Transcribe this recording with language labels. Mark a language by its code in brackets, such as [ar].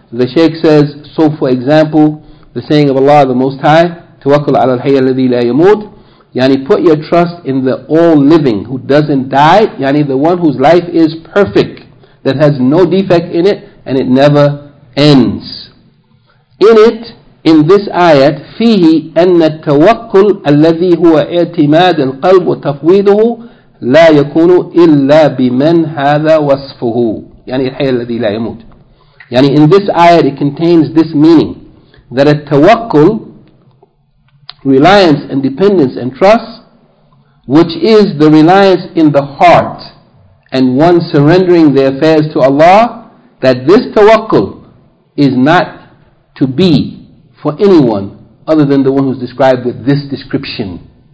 [en] The Shaykh says, so for example, the saying of Allah the Most High, [ar] Tawakkul Ala Al-Hayy Alladhi La Yamut, [en] yani, put your trust in the all-living who doesn't die, yani, the one whose life is perfect, that has no defect in it, and it never ends. In it, in this ayat, [ar] فِيهِ أَنَّ التَّوَكُّلْ أَلَّذِي هُوَ اِعْتِمَادِ الْقَلْبُ وَتَفْوِيدُهُ لَا يَكُونُ إِلَّا بِمَنْ هَذَا وَصْفُهُ. يعني الحي الذي لا يموت. [en] يعني in this ayat, it contains this meaning, that a tawakkul, reliance and dependence and trust, which is the reliance in the heart and one surrendering their affairs to Allah, that this tawakkul is not to be for anyone other than the one who's described with this description.